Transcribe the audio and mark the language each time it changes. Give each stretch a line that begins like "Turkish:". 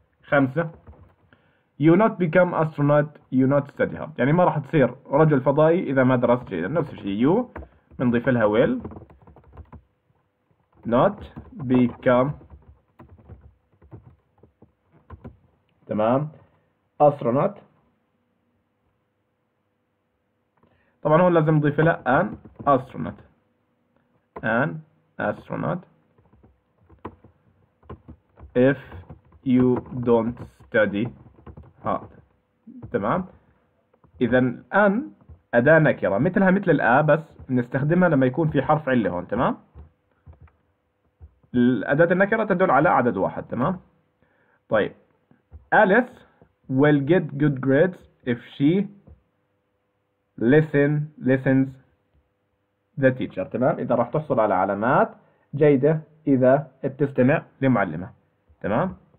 Arabic: خمسة
English: you not become astronaut you not study hard,
Arabic: يعني ما راح تصير رجل فضائي إذا ما درست جيدا. نفس الشيء you منضيف لها will not become تمام astronaut. طبعا هون لازم نضيف لها
English: an astronaut, an astronaut if you don't study hard
Arabic: تمام. اذا an اداة نكرة مثلها مثل الا بس نستخدمها لما يكون في حرف علة هون تمام. الاداة النكرة تدل على عدد واحد تمام. طيب
English: Alice will get good grades if she listens the teacher
Arabic: تمام, اذا راح تحصل على علامات جيده اذا بتستمع لمعلمه تمام.